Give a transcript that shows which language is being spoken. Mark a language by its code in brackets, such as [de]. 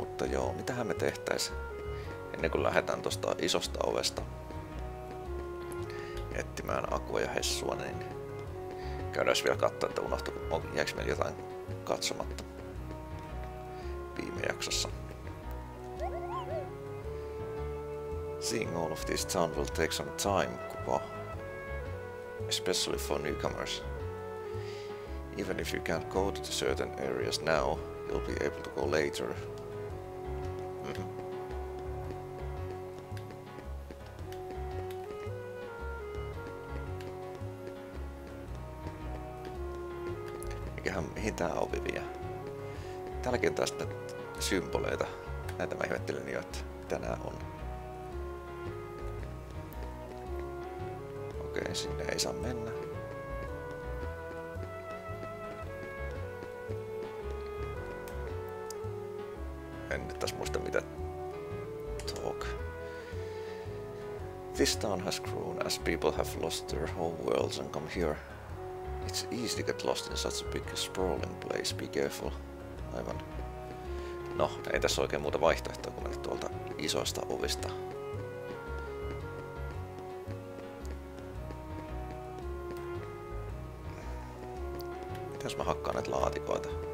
[fi] Joo, mitähän me tehtäis ennen kuin lähdetään tuosta isosta ovesta etsimään Akua ja Hessua, niin Käydään vielä katsomaan, että unohtuiko, jääkö meillä jotain katsomatta viime jaksossa. [en] Seeing all of this town will take some time, Kuba. Especially for newcomers. Even if you can't go to certain areas now, you'll be able to go later. [fi] Mikähän, mihin tää ovi vie? Täälläkin taas näitä symboleita. Näitä mä ihmettelin jo, että mitä nää on. Okei, sinne ei saa mennä. En nyt taas muista mitä... Talk. [en] This town has grown as people have lost their home worlds and come here. It's easy to get lost in such a big sprawling place, be careful. [fi] Aivan. No, ei tässä oikein muuta vaihtoehtoa kuin mennä tuolta isoista ovista. Mitäs mä hakkaan näitä laatikoita?